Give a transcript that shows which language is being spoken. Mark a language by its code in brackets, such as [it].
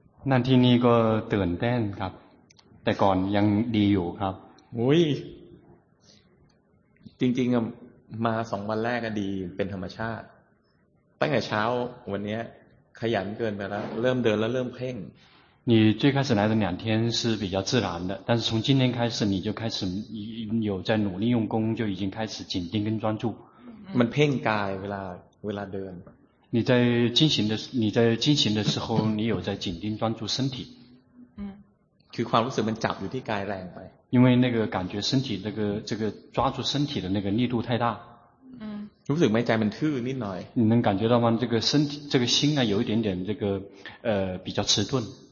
[th] 那ที่นี่ก็ตื่นเต้นครับแต่ก่อนยังดีอยู่ครับ อุ้ยจริงๆมา2วันแรกก็ดีเป็นธรรมชาติตั้งแต่เช้าวันนี้ขยันเกินไปแล้วเริ่มเดินแล้วเริ่มเพ่ง [zh] 你最开始来的两天是比较自然的但是从今天开始你就开始有在努力用功就已经开始紧盯跟专注 [th] มันเพ่งกายเวลาเดิน [zh] 你在进行的时候你有在紧盯专注身体 [th] คือความรู้สึกมันจับอยู่ที่กายแรงไป [zh] 因为那个感觉身体那个这个抓住身体的那个力度太大 [th] รู้สึกไหมใจมันทื่อนิดหน่อย [zh] 你能感觉到吗这个身体这个心啊有一点点这个比较迟钝